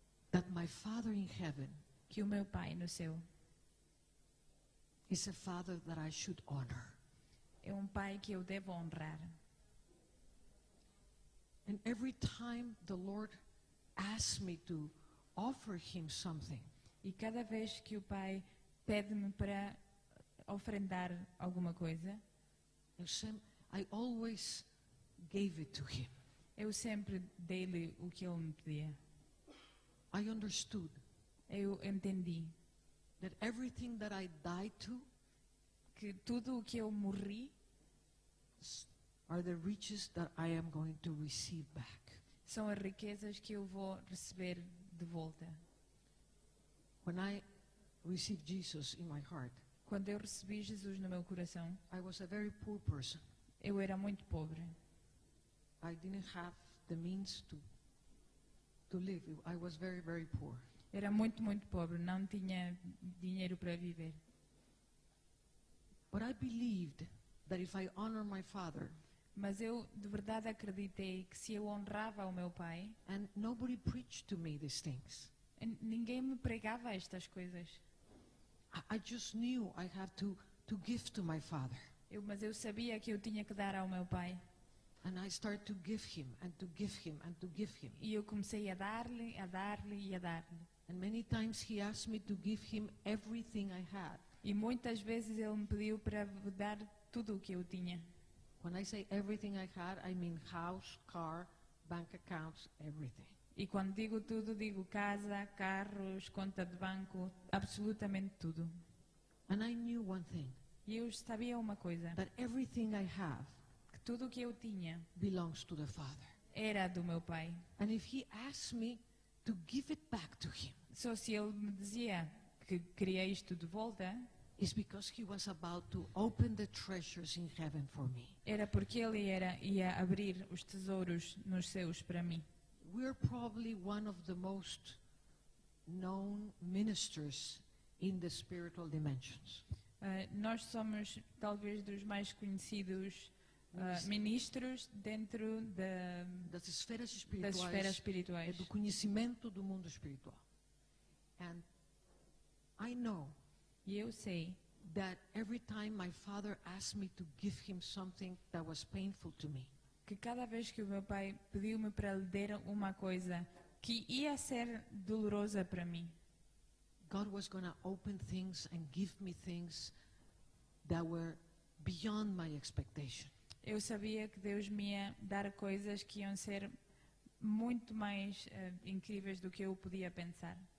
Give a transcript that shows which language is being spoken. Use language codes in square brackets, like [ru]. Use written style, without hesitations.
[en] That my Father in heaven, [pt] que o meu Pai no céu, [en] is a Father that I should honor. [pt] É um Pai que eu devo honrar. [en] And every time the Lord asks me to offer Him something, [pt] e cada vez que o Pai pede-me para ofrendar alguma coisa, [en] I always gave it to him. [pt] Eu sempre dei-lhe o que ele me pedia. [en] I understood. [pt] Eu entendi. [en] That everything that I died to, [pt] que tudo o que eu morri, [en] are the riches that I am going to receive back. [pt] São as riquezas que eu vou receber de volta. [en] When I received Jesus in my heart, [pt] quando eu recebi Jesus no meu coração, [en] I was a very poor person. [pt] Eu era muito pobre. [en] I didn't have the means to live. I was very, very poor. [pt] Era muito, muito pobre. Não tinha dinheiro para viver. [en] But I believed that if I honor my father, [pt] mas eu de verdade acreditei que se eu honrava o meu pai, [en] and nobody preached to me these things, [pt] ninguém me pregava estas coisas. [en] I just knew I had to give to my father. [pt] Mas eu sabia que eu tinha que dar ao meu pai. [en] And I started to give him and to give him and to give him. [pt] E eu comecei a dar-lhe, a dar-lhe e a dar-lhe. [en] And many times he asked me to give him everything I had. [pt] E muitas vezes ele me pediu para dar tudo o que eu tinha. [en] When I say everything I had, I mean house, car, bank accounts, everything. [pt] E quando digo tudo, digo casa, carros, conta de banco, absolutamente tudo. [en] And I knew one thing, [pt] e eu sabia uma coisa. [en] That everything I have, [pt] que tudo o que eu tinha [en] belongs to the Father. [pt] Era do meu pai. [en] And if he asked me to give it back to him, [pt] só se ele me dizia que queria isto de volta, [en] is because he was about to open the treasures in heaven for me. [pt] Era porque ele ia abrir os tesouros nos céus para mim. [en] We are probably one of the most known ministers in the spiritual dimensions. [pt] Nós somos talvez dos mais conhecidos ministros dentro das esferas espirituais. Do conhecimento do mundo espiritual. And I know, e eu sei, [en] that every time my father asked me to give him something that was painful to me, [pt] que cada vez que o meu pai pediu-me para lhe dar uma coisa que ia ser dolorosa para mim, [en] God was going to open things and give me things that were beyond my expectation. [pt] Eu sabia que Deus me ia dar coisas que iam ser muito mais incríveis do que eu podia pensar.